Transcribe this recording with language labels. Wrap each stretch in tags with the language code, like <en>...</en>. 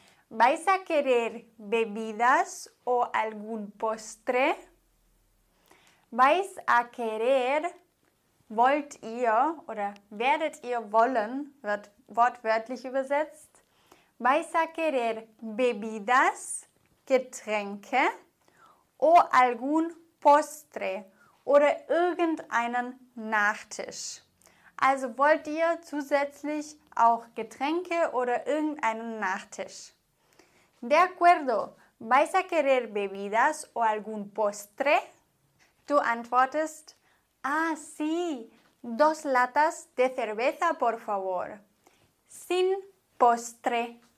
<es>¿Vais a querer bebidas o algún postre? ¿Vais a querer,</es> <de>wollt ihr oder werdet ihr wollen, wird wortwörtlich übersetzt.</de> <es>¿Vais a querer bebidas,</es> <de>Getränke,</de> <es>o algún postre</es> <de>oder irgendeinen Nachtisch? Also wollt ihr zusätzlich auch Getränke oder irgendeinen Nachtisch?</de> <es>De acuerdo. ¿Vais a querer bebidas o algún postre?</es> <de>Du antwortest,</de> <es>ah, sí, dos latas de cerveza, por favor. Sin postre.</es>